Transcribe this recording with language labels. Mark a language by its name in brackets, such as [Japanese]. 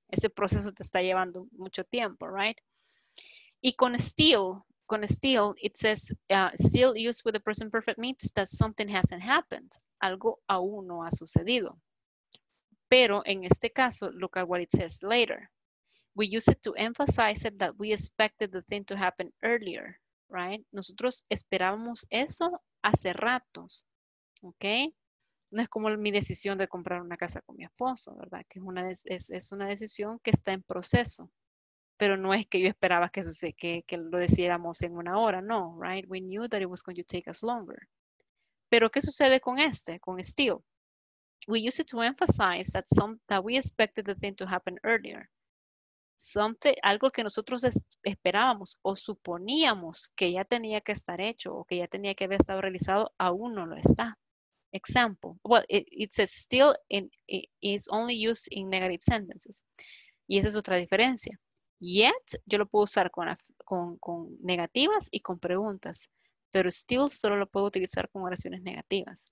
[Spanish] Ese proceso te está llevando mucho tiempo, right? Y con [English] still, it says, still used with the present perfect means that something hasn't happened. [Spanish] Algo aún no ha sucedido. Pero en este caso, [English] look at what it says later. We use it to emphasize it that we expected the thing to happen earlier, right? [Spanish] Nosotros esperábamos eso hace ratos, okay? No es como mi decisión de comprar una casa con mi esposo, ¿verdad? Que es una decisión que está en proceso. Pero no es que yo esperaba que suceda, que lo decidiéramos en una hora, no, right? [English] We knew that it was going to take us longer. [Spanish] Pero ¿qué sucede con este, con still? [English] We use it to emphasize that we expected the thing to happen earlier. [Spanish] something, algo que nosotros esperábamos o suponíamos que ya tenía que estar hecho o que ya tenía que haber estado realizado, aún no lo está. [English] Example, well, it says still in, it's only used in negative sentences. [Spanish] Y esa es otra diferencia. Yet, yo lo puedo usar con negativas y con preguntas, pero still solo lo puedo utilizar con oraciones negativas.